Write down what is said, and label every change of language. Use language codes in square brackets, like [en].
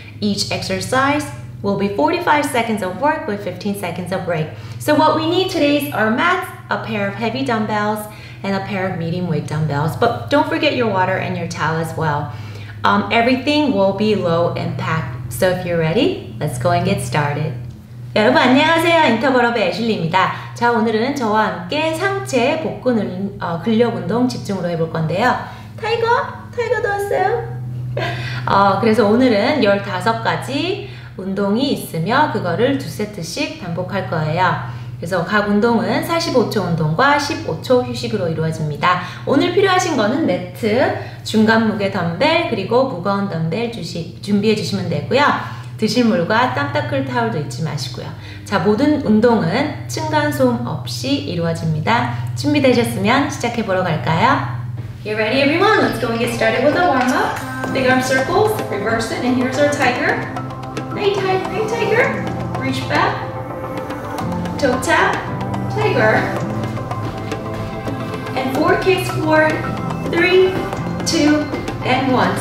[en] Each exercise will be 45 seconds of work with 15 seconds of break. So what we need today is our mats, a pair of heavy dumbbells, and a pair of medium weight dumbbells. But don't forget your water and your towel as well. Everything will be low impact. So if you're ready, let's go and get started. [ko] 여러분 안녕하세요. 인터벌업의 애슐리입니다. 자, 오늘은 저와 함께 상체 복근 근력 운동 집중으로 해볼 건데요. 타이거? 타이거도 왔어요? 그래서 오늘은 15가지 운동이 있으며 그거를 두 세트씩 반복할 거예요. 그래서 각 운동은 45초 운동과 15초 휴식으로 이루어집니다. 오늘 필요하신 거는 매트, 중간무게 덤벨, 그리고 무거운 덤벨 준비해 주시면 되고요. 드실 물과 땀 닦을 타올도 잊지 마시고요. 자, 모든 운동은 층간소음 없이 이루어집니다. 준비되셨으면 시작해 보러 갈까요? [en] You ready everyone? Let's go and get started with a warm-up. Big arm circles, reverse it, and here's our tiger. Hey tiger, reach back. Toe tap, tiger. And four kicks forward, three, two, and one.